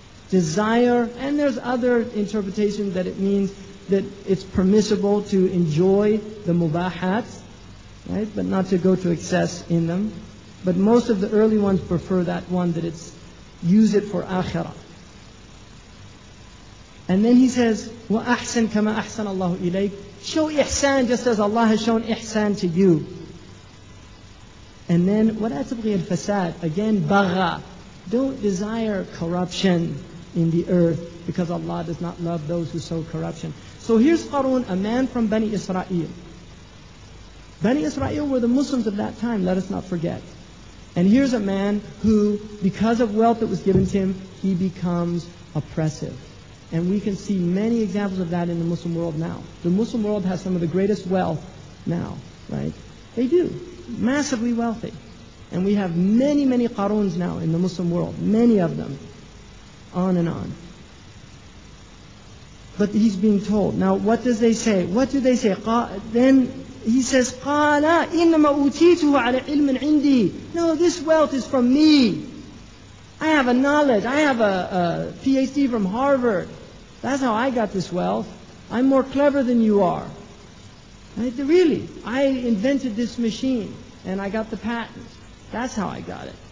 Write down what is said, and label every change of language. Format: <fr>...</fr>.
<en>Desire, and there's other interpretations that it means that it's permissible to enjoy the mubahat, right? But not to go to excess in them. But most of the early ones prefer that one, that it's use it for akhirah. And then he says,</en> <ar>وَأَحْسَنْ كَمَا أَحْسَنَ اللَّهُ إِلَيْكَ.</ar> <en>Show ihsan just as Allah has shown ihsan to you. And then,</en> <ar>وَلَا تَبْغِيَ الْفَسَادِ.</ar> <en>Again, بَغَى. Don't desire corruption in the earth, because Allah does not love those who sow corruption. So here's Harun, a man from Bani Israel. Bani Israel were the Muslims of that time, let us not forget. And here's a man who, because of wealth that was given to him, he becomes oppressive. And we can see many examples of that in the Muslim world now. The Muslim world has some of the greatest wealth now, right? They do. Massively wealthy. And we have many, many Qaruns now in the Muslim world. Many of them. On and on. But he's being told. Now, what does they say? What do they say? Then he says,</en> <ar>قَالَ إِنَّمَا أُوتِيتُهُ عَلَى عِلْمٍ عِنْدِي.</ar> <en>No, this wealth is from me. I have a knowledge. I have a PhD from Harvard. That's how I got this wealth. I'm more clever than you are. Right? Really, I invented this machine and I got the patents. That's how I got it.</en>